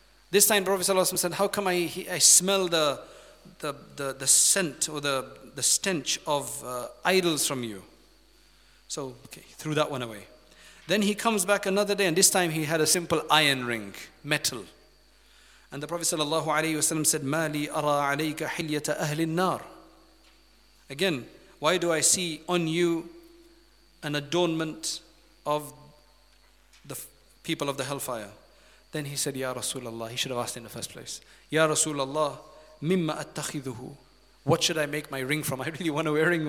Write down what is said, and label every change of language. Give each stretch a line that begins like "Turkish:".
English: This time Prophet ﷺ said, how come I smell the scent or the stench of idols from you? So, okay, threw that one away. Then he comes back another day, and this time he had a simple iron ring, metal. And the Prophet ﷺ said,
Arabic: مَالِي أَرَى عَلَيْكَ حِلْيَةَ أَهْلِ النَّارِ.
English: Again, why do I see on you an adornment of the people of the hellfire? Then he said, Ya Rasulallah, he should have asked in the first place, Ya Rasulallah,
Arabic: mimma attakhidhu,
English: what should I make my ring from? I really want to wear a ring.